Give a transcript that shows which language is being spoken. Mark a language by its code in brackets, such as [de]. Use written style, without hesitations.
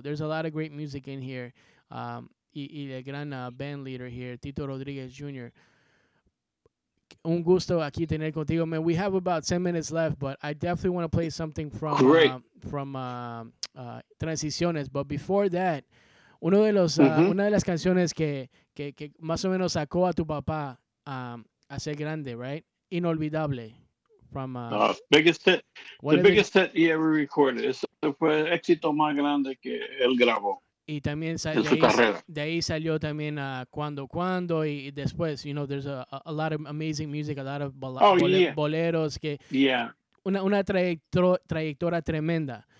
[en] There's a lot of great music in here. [es] Y el gran [en] band leader here, Tito Rodríguez Jr. [es] Un gusto aquí tener contigo, man. [en] We have about 10 minutes left, but I definitely want to play something from Transiciones. But before that, [es] uno de los [en] mm-hmm. [es] una de las canciones que más o menos sacó a tu papá a ser grande, [en] right? Inolvidable from biggest hit, the biggest hit he ever recorded. [es] Eso fue el éxito más grande que él grabó. Y también de ahí salió también Cuando y después, [en] you know, there's a lot of amazing music, a lot of boleros. [es] Que yeah. Una trayectoria tremenda.